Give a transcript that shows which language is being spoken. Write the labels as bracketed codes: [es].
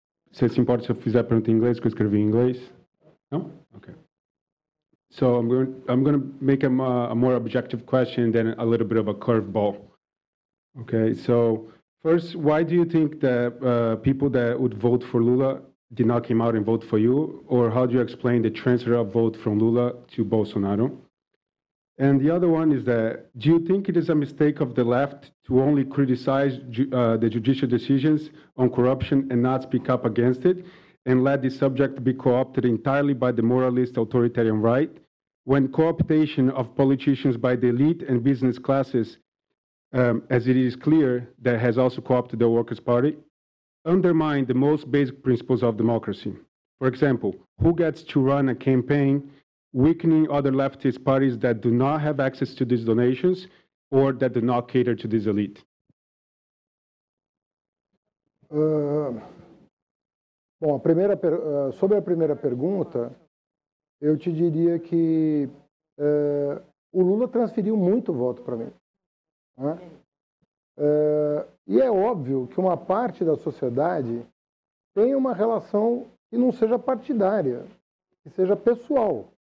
[pt] Se se importa se eu fizer a pergunta em inglês, porque eu escrevi em inglês. Não? Ok. [en] So I'm going to make a more objective question than a little bit of a curveball. Okay, so first, why do you think that people that would vote for Lula did not come out and vote for you? Or how do you explain the transfer of vote from Lula to Bolsonaro? And the other one is that, do you think it is a mistake of the left to only criticize the judicial decisions on corruption and not speak up against it and let the subject be co-opted entirely by the moralist authoritarian right when co-optation of politicians by the elite and business classes, as it is clear, that has also co-opted the Workers' Party, undermine the most basic principles of democracy? For example, who gets to run a campaign weakening other leftist parties that do not have access to these donations or that do not cater to this elite? [pt] Bom, a primeira sobre a primeira pergunta, eu te diria que o Lula transferiu muito voto para mim. Né? E é óbvio que uma parte da sociedade tem uma relação que não seja partidária, que seja pessoal.